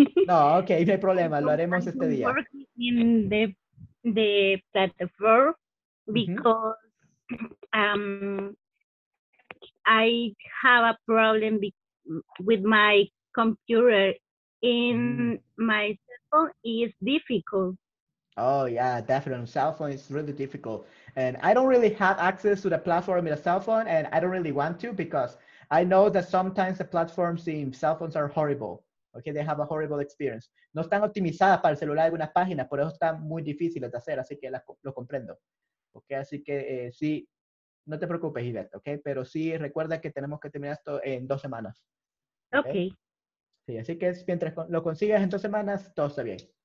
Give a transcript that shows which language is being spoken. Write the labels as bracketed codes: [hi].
[es] No, okay, no hay problema, lo haremos este día. [en] I'm working in the platform because I have a problem with my computer and my cell phone is difficult. Oh, yeah, definitely. Cell phone is really difficult. And I don't really have access to the platform in a cell phone and I don't really want to because I know that sometimes the platforms in cell phones are horrible. Okay, they have a horrible experience. [es] No están optimizadas para el celular algunas páginas, por eso están muy difíciles de hacer, así que lo comprendo. Okay, así que sí, no te preocupes, Yvette, okay? Pero sí, recuerda que tenemos que terminar esto en 2 semanas. [en] Okay. [es] Sí, así que mientras lo consigas en 2 semanas, todo está bien.